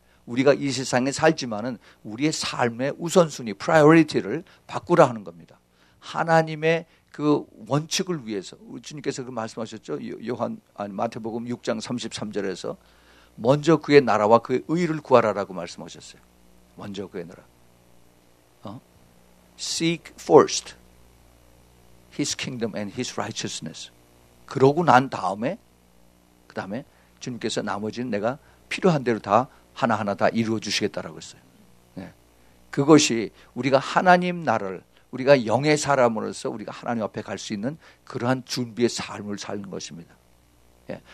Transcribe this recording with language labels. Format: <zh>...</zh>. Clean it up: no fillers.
<ko>우리가 이 세상에 살지만은 우리의 삶의 우선순위, priority를 바꾸라 하는 겁니다. 하나님의 그 원칙을 위해서 주님께서 그 말씀하셨죠. 마태복음 6장 33절에서 먼저 그의 나라와 그의 의를 구하라라고 말씀하셨어요. 먼저 그의 나라.</ko> <en>Seek first his kingdom and his righteousness.</en> <ko>그러고 난 다음에 그 다음에 주님께서 나머지는 내가 필요한 대로 다 하나하나 다 이루어 주시겠다라고 했어요. 네. 그것이 우리가 하나님 나라를 우리가 영의 사람으로서 우리가 하나님 앞에 갈 수 있는 그러한 준비의 삶을 사는 것입니다. 예.</ko>